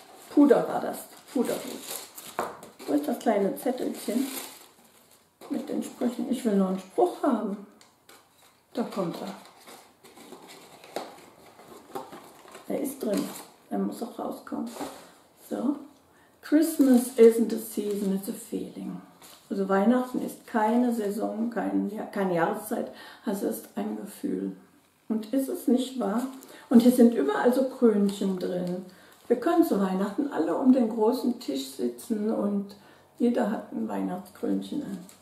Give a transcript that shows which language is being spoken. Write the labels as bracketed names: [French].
[German] Puder war das. Puderrot. Wo ist das kleine Zettelchen? Mit den Sprüchen. Ich will noch einen Spruch haben. Da kommt er. Er ist drin. Er muss auch rauskommen. So. [English] Christmas isn't a season, it's a feeling. [German] Also Weihnachten ist keine Saison, keine Jahreszeit, also es ist ein Gefühl. Und ist es nicht wahr? Und hier sind überall so Krönchen drin. Wir können zu Weihnachten alle um den großen Tisch sitzen und jeder hat ein Weihnachtskrönchen an.